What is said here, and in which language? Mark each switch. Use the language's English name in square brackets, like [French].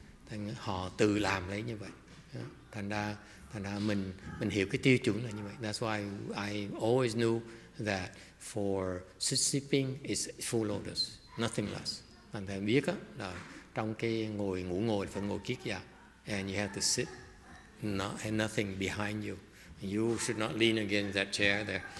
[Vietnamese] Thành họ tự làm lấy như vậy. Thành ra mình hiểu cái tiêu chuẩn là như vậy. [English] That's why I always knew that for sitting is full lotus, nothing less. [Vietnamese] Thành thầy biết á, là trong cái ngồi ngủ ngồi phải ngồi kiết dạ, [English] and you have to sit, not and nothing behind you. You should not lean against that chair there.